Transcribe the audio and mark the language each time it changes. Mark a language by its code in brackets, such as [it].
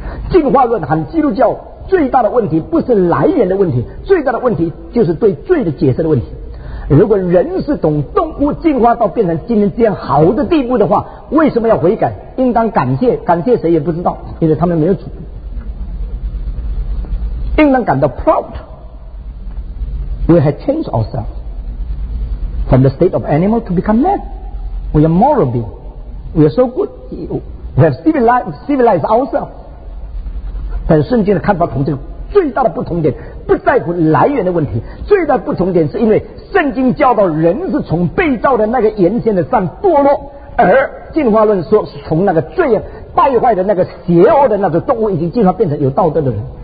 [zh] 进化论和基督教最大的问题不是来源的问题，最大的问题就是对罪的解释的问题。如果人是懂动物进化到变成今天这样好的地步的话，为什么要悔改？应当感谢谁也不知道，因为他们没有主，应当感到 proud。 [en] We have changed ourselves from the state of animal to become man. We are moral being. We are so good. We have civilized ourselves. [zh] 但圣经的看法同这个最大的不同点不在乎来源的问题，最大的不同点是因为圣经教导人是从被造的那个原先的善堕落，而进化论说是从那个罪败坏的那个邪恶的那个动物已经进化变成有道德的人。